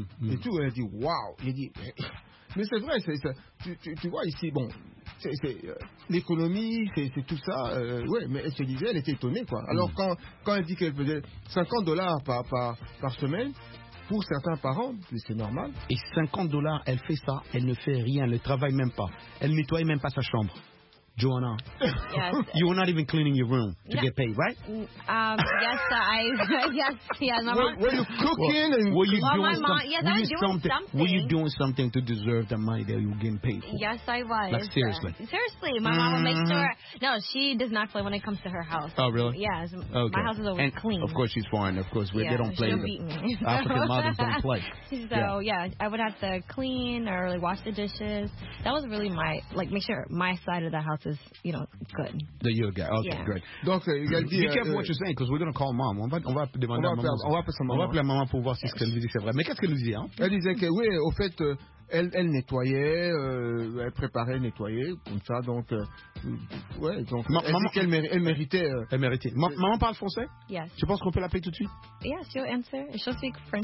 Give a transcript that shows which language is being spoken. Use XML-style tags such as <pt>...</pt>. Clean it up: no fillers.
<fr>Et tout, elle dit, waouh. Elle dit, mais c'est vrai, tu vois ici, bon, c'est l'économie, c'est tout ça, ouais, mais elle se disait, elle était étonnée, quoi. Alors, quand elle dit qu'elle faisait $50 par semaine, pour certains parents, c'est normal. Et $50, elle fait ça, elle ne fait rien, elle ne travaille même pas, elle ne nettoie même pas sa chambre. Johanna,</fr> <en>yes. You are not even cleaning your room to get paid, right? Yes, I. Yes, yeah. Were you cooking? Well, and were you well, doing, my mom, some, yes, were you doing something? Were you doing something to deserve the money that you're getting paid for? Yes, I was. Like, seriously. Seriously, my mom will make sure. No, she does not play when it comes to her house. Oh, really? Yes. Okay. My house is always and clean. Of course, she's foreign. Of course, they don't play. She'll beat me. African mothers don't play. So, yeah, I would have to clean or like, wash the dishes. That was really my, like, make sure my side of the house is, you know, good. The yoga. Okay, yeah. Great.</en> <fr>Donc,</fr> <en>be careful what you're saying, because we're going to call mom.</en> <fr>On va demander on va à maman. On va appeler maman pour voir si ce qu'elle nous dit, c'est vrai. Mais qu'est-ce qu'elle nous dit, hein? Elle disait que, oui, au fait, elle nettoyait, elle préparait, nettoyait, comme ça, donc, ouais, donc, maman, qu'elle méritait. Elle méritait. Maman parle français?</fr> <en>Yes.</en> <fr>Je pense qu'on peut l'appeler tout de suite?</fr> <en>Yes, she'll answer. She'll speak French.</en>